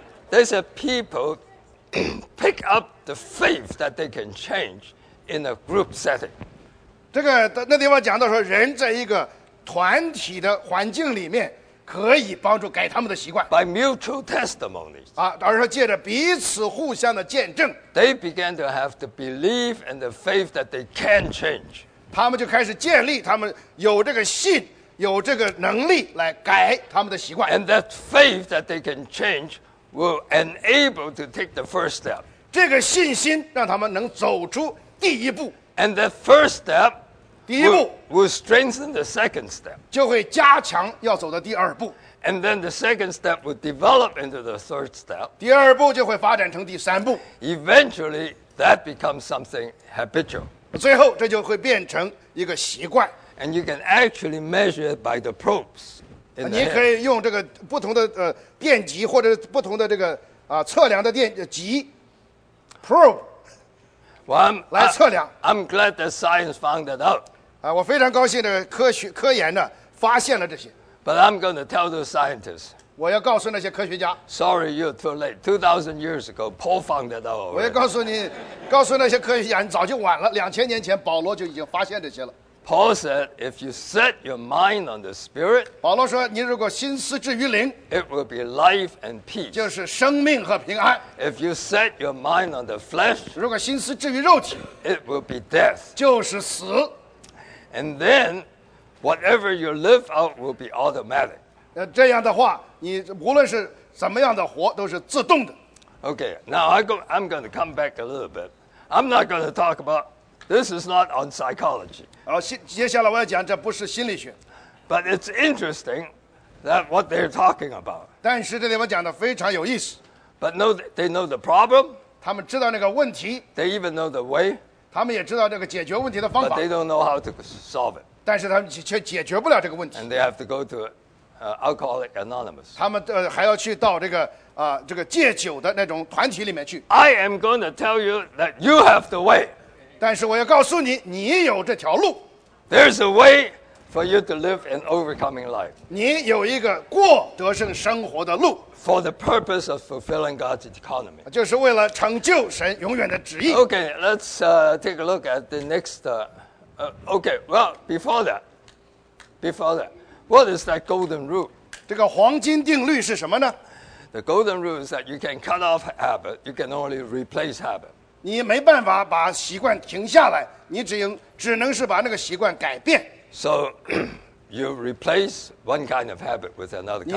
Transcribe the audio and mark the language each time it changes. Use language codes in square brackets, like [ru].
[en] They said people pick up the faith that they can change in a group setting. [zh] 这个那地方讲到说，人在一个团体的环境里面，可以帮助改他们的习惯。 [en] By mutual testimonies. [zh] 而是借着彼此互相的见证。 [en] They began to have the belief and the faith that they can change. [zh] 他们就开始建立，他们有这个信，有这个能力来改他们的习惯。 [en] And that faith that they can change will enable to take the first step. [zh] 这个信心让他们能走出第一步。 [en] And the first step, [zh] 第一步 [en] will strengthen the second step. [zh] 就会加强要走的第二步。 [en] And then the second step will develop into the third step. [zh] 第二步就会发展成第三步。 [en] Eventually, that becomes something habitual. [zh] 最后这就会变成一个习惯。 [en] and you can actually measure it by the probes. [zh] 你可以用这个不同的电极或者不同的这个测量的电极 probe. [en] Well, [zh] 来测量。 [en] I'm glad that science found it out. [zh] 我非常高兴的科研呢发现了这些。 [en] But I'm going to tell those scientists. [zh] 我要告诉那些科学家。 [en] Sorry, you're too late. 2,000 years ago, Paul found it out. [zh] 我要告诉你，告诉那些科学家，你早就晚了。2,000 年前，保罗就已经发现这些了。 [en] Paul said, "If you set your mind on the Spirit," [zh] 保罗说，你如果心思置于灵 [en] ，it will be life and peace. [zh] 就是生命和平安。 [en] If you set your mind on the flesh, [zh] 如果心思置于肉体 [en] ，it will be death. [zh] 就是死。 [en] And then, whatever you live out will be automatic. [zh] 那这样的话，你无论是怎么样的活，都是自动的。 [en] Okay, now I'm going to come back a little bit. I'm not going to talk about. This is not on psychology. [zh] 接下来我要讲这不是心理学。 [en] But it's interesting that what they're talking about. [zh] 但是这里面讲的非常有意思。 [en] But they know the problem. [zh] 他们知道那个问题。 [en] They even know the way. [zh] 他们也知道这个解决问题的方法。 [en] But they don't know how to solve it. [zh] 但是他们却解决不了这个问题。 [en] And they have to go to Alcoholic Anonymous. [zh] 他们还要去到这个这个戒酒的那种团体里面去。 [en] I am going to tell you that you have the way. [zh] 但是我要告诉你，你有这条路。 [en] There's a way for you to live an overcoming life. [zh] 你有一个过得胜生活的路。 [en] For the purpose of fulfilling God's economy. [zh] 就是为了成就神永远的旨意。 [en] Okay, let's take a look at the next. Okay, well, before that, what is that golden rule? [zh] 这个黄金定律是什么呢 [en] ？The golden rule is that you can cut off habit, you can only replace habit. [zh] 你没办法把习惯停下来，你只能是把那个习惯改变。 [en] So, you replace one kind of habit with another kind of habit.